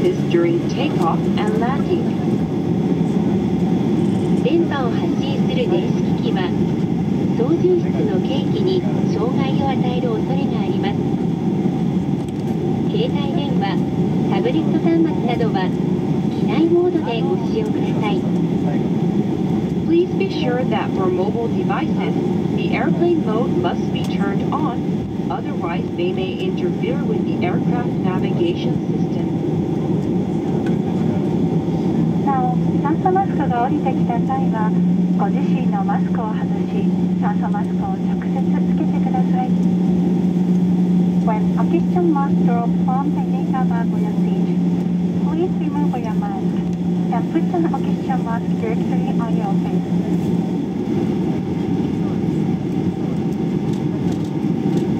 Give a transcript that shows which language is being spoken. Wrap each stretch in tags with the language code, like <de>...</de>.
<en>During takeoff and landing.</en> <ja>電波を発信する電子機器は操縦室の計器に障害を与える恐れがあります。携帯電話、タブレット端末などは機内モードでご使用ください。</ja> <en>Please be sure that for mobile devices, the airplane mode must be turned on. Otherwise, they may interfere with the aircraft navigation system.</en> <ja>酸素マスクが降りてきた際はご自身のマスクを外し、酸素マスクを直接つけてください。</ja> <en>When oxygen mask drops from the nearby boarding stage, please remove your mask and put an oxygen mask directly on your face.</en>